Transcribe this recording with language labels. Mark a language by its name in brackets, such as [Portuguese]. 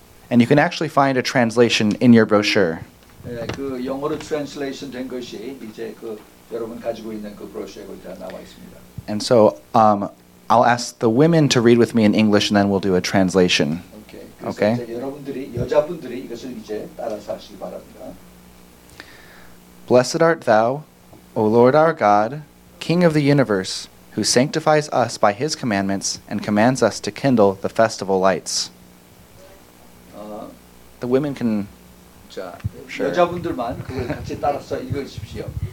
[English] And you can actually find a translation in your brochure. [Korean] 그 영어로 translation 된 것이 이제 그 여러분 가지고 있는 그 브로셔에 다 나와 있습니다. [English] And so I'll ask the women to read with me in English and then we'll do a translation. Okay. Okay. [Korean] 여러분들이 여자분들이 이것을 이제 따라서 하시기 바랍니다. [English] Blessed art thou, O Lord our God, King of the universe, who sanctifies us by his commandments and commands us to kindle the festival lights. The women can [Korean] 자, [English] sure. [Korean] 여자분들만 그걸 같이 따라서 읽으십시오.